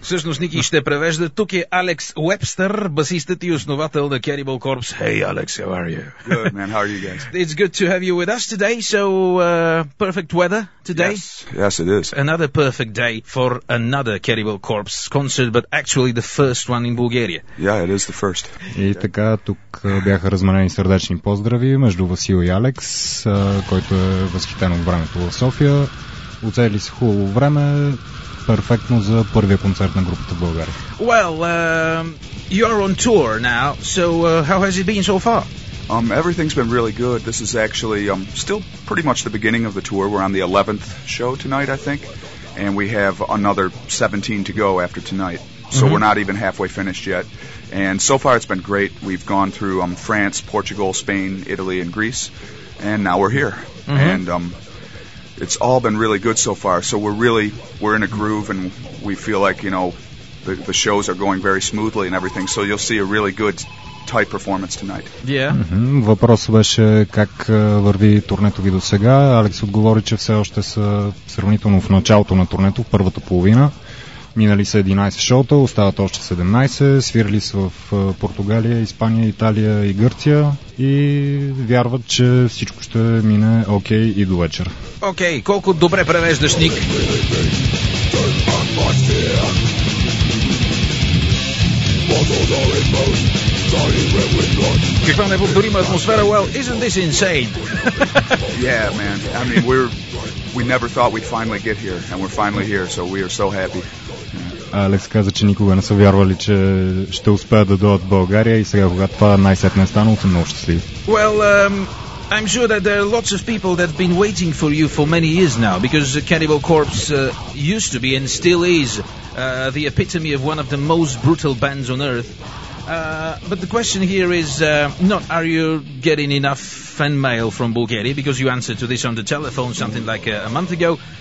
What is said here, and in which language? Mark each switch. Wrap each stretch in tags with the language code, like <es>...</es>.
<bg>Всъщност Ники ще превежда. Тук е Алекс Уебстър, басистът и основател на Cannibal Corpse.</bg> <en>Hey Alex, how are you? Good man, how are you guys? It's good to have you with us today. So, perfect weather today. Yes, it is. Another perfect day for another Cannibal Corpse concert, but actually the first one in Bulgaria. Yeah, it is the first.</en> <bg>И така, тук бяха разменени сърдечни поздрави между Васил и Алекс, който е възхитен от времето в София. Оцели се хубаво време, перфектно за първия концерт на групата в България.</bg> <en>Well, you're on tour now, so how has it been so far? Everything's been really good. This is actually still pretty much the beginning of the tour. We're on the 11th show tonight, I think, and we have another 17 to go after tonight. So we're not even halfway finished yet. And so far it's been great. We've gone through France, Portugal, Spain, Italy and Greece, and now we're here. And it's all been really good so far, so we're in a groove and we feel like, you know, the shows are going very smoothly and everything, so you'll see a really good tight performance tonight. Yeah.</en> <bg>Въпросът беше как върви турнето ви до сега. Алекс отговори, че все още са сравнително в началото на турнето, в първата половина. Минали са 11 шоута, остават още 17, свирали са в Португалия, Испания, Италия и Гърция и вярват, че всичко ще мине окей и до вечер. Окей, колко добре превеждаш, Ник? Каква неповторима атмосфера?</bg> <en>Well, isn't this insane? Yeah, man. I mean, we never thought we'd finally get here, and we're finally here, so we are so happy.</en> <bg>Алекс каза, че никога не са вярвали, че ще успеят да дойдат в България и сега, когато това най-сетне е станало, съм много щастлив.</bg> <en>Well, I'm sure that there are lots of people that have been waiting for you for many years now, because Cannibal Corpse used to be and still is the epitome of one of the most brutal bands on earth. But the question here is not are you getting enough fan mail from Bulgaria, because you answered to this on the telephone something like a month ago.</en>